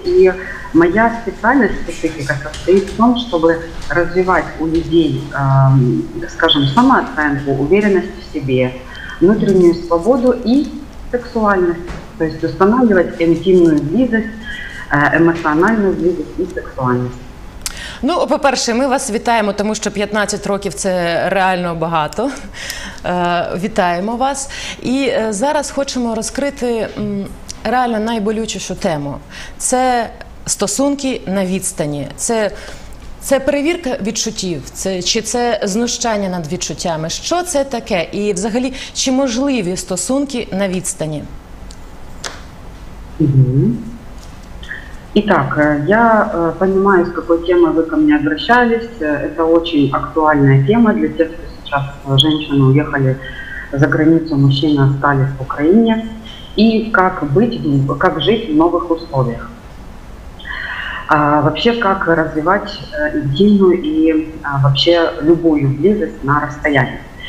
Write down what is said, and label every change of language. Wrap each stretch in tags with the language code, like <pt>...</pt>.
<ru>И моя специальность, специфика состоит в том, чтобы развивать у людей, скажем, самооценку, уверенность в себе, внутреннюю свободу и сексуальность. То есть устанавливать интимную близость, эмоциональную близость и сексуальность.</ru> <uk>Ну, по-перше, ми вас вітаємо, тому що 15 років – це реально багато. Вітаємо вас. І зараз хочемо розкрити реально найболючішу тему. Це стосунки на відстані. Це перевірка відчуттів? Чи це знущання над відчуттями? Що це таке? І взагалі, чи можливі стосунки на відстані?</uk> <ru>Итак, я понимаю, с какой темой вы ко мне обращались. Это очень актуальная тема для тех, кто сейчас, женщины уехали за границу, мужчины остались в Украине. И как жить в новых условиях. А вообще, как развивать идейную и вообще любую близость на расстоянии.</ru>